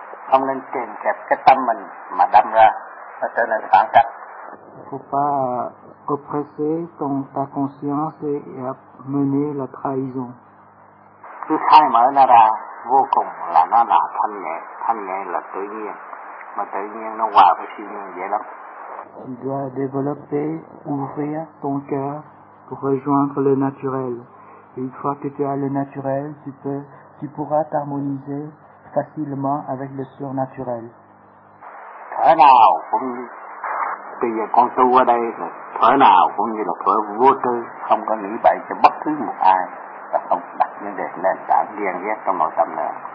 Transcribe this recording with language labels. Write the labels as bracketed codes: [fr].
[vi] Không nên kèm kẹp cái tâm mình mà đâm ra nó trở nên phản cách. [fr] Faut pas oppresser ta conscience et mener la trahison. [vi] Cứ khai mở nó ra vô cùng là nó là thanh nhẹ là tự nhiên, mà tự nhiên nó hòa với siêu nhiên dễ lắm. [fr] Tu dois développer, ouvrir ton cœur pour rejoindre le naturel. Et une fois que tu as le naturel, tu pourras t'harmoniser facilement avec le surnaturel. [vi] Thở nào cũng bây giờ con tu ở đây là thở nào cũng như là thở vô tư, không có nghĩ bậy cho bất cứ một ai và không đặt vấn đề nền tảng ghen ghét trong nội tâm nữa.